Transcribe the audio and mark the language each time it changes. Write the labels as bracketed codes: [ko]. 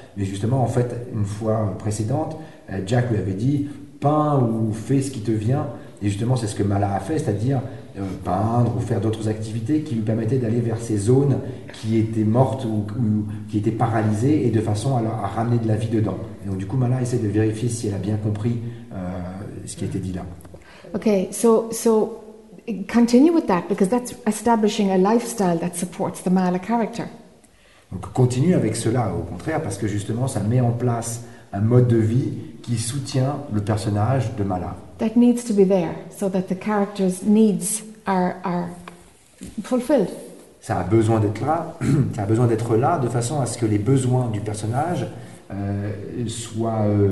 [fr] Mais justement, en fait, une fois précédente, Jack lui avait dit peins ou fais ce qui te vient. Et justement, c'est ce que Mala a fait, c'est-à-dire peindre ou faire d'autres activités qui lui permettaient d'aller vers ces zones qui étaient mortes ou qui étaient paralysées et de façon à ramener de la vie dedans. Et donc, du coup, Mala essaie de vérifier si elle a bien compris ce qui a été dit là. [en] Ok, so continue with that, because that's establishing a lifestyle that supports the Mala character. [fr] Donc, continue avec cela, au contraire, parce que justement, ça met en place un mode de vie qui soutient le personnage de Mala. [en] That needs to be there so that the character's needs are fulfilled. [fr] Ça a besoin d'être là. Ça a besoin d'être là de façon à ce que les besoins du personnage soient